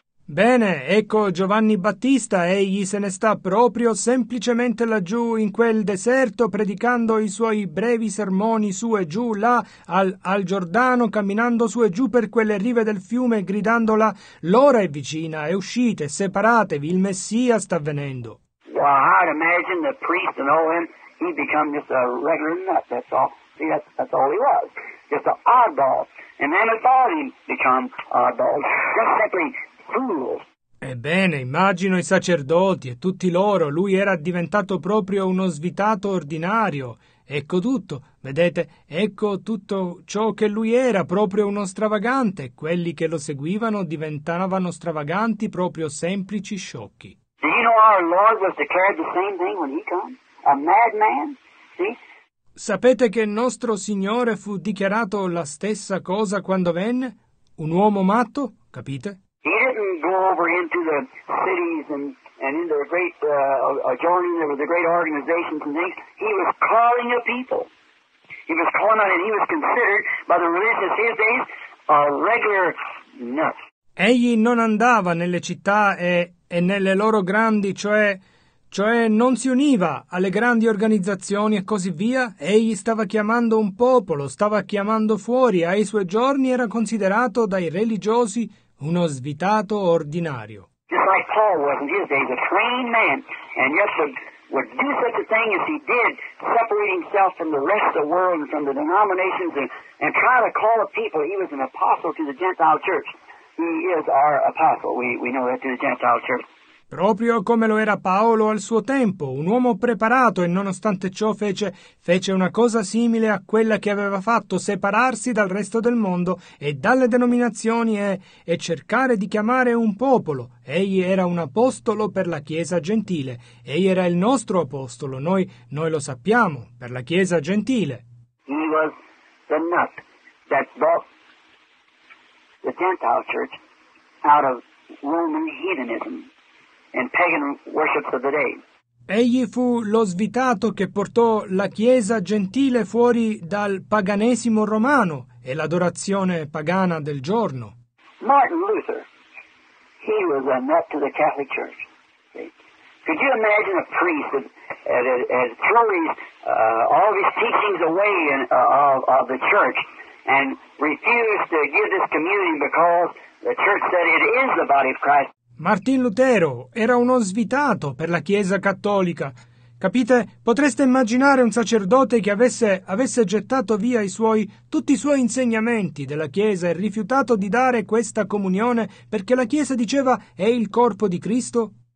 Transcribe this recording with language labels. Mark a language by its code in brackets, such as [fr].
[it] Bene, ecco Giovanni Battista, egli se ne sta proprio semplicemente laggiù in quel deserto predicando i suoi brevi sermoni su e giù, là al Giordano, camminando su e giù per quelle rive del fiume, gridando là, l'ora è vicina, è uscite, separatevi, il Messia sta venendo. [en] Well, I'd imagine the priest and all him, he'd become just a regular nut, that's all. See, that's all he was, just an oddball. And then it's all he'd become oddball, just simply... [it] Ebbene, immagino i sacerdoti e tutti loro, lui era diventato proprio uno svitato ordinario. Ecco tutto, vedete, ecco tutto ciò che lui era, proprio uno stravagante. Quelli che lo seguivano diventavano stravaganti, proprio semplici sciocchi. Do you know our Lord was declared the same thing when he came? A madman? Sapete che il nostro Signore fu dichiarato la stessa cosa quando venne? Un uomo matto, capite? [en] He didn't go over into the cities and into the great joining there with the great organizations and things. He was calling the people. He was calling on, and he was considered by the religious his days a regular nut. [it] Egli non andava nelle città e nelle loro grandi, cioè non si univa alle grandi organizzazioni e così via. Egli stava chiamando un popolo, stava chiamando fuori. Ai suoi giorni era considerato dai religiosi uno svitato ordinario. [en] Just like Paul was in his days, a trained man, and yet would do such a thing as he did, separate himself from the rest of the world and from the denominations and try to call a people. He was an apostle to the Gentile church. He is our apostle, we know that, to the Gentile church. [it] Proprio come lo era Paolo al suo tempo, un uomo preparato e nonostante ciò fece una cosa simile a quella che aveva fatto, separarsi dal resto del mondo e dalle denominazioni e cercare di chiamare un popolo. Egli era un apostolo per la Chiesa Gentile, egli era il nostro apostolo, noi lo sappiamo, per la Chiesa Gentile. [en] He was the nut that brought the Gentile Church out of Roman heathenism. And pagan worships of the day. [it] Egli fu lo svitato che portò la Chiesa gentile fuori dal paganesimo romano e l'adorazione pagana del giorno. [en] Martin Luther, he was a nut to the Catholic Church. Could you imagine a priest that threw all of his teachings away of the church and refused to give this communion because the church said it is the body of Christ? [it] Martin Lutero era uno svitato per la Chiesa Cattolica. Capite? Potreste immaginare un sacerdote che avesse gettato via tutti i suoi insegnamenti della Chiesa e rifiutato di dare questa comunione perché la Chiesa diceva è il corpo di Cristo?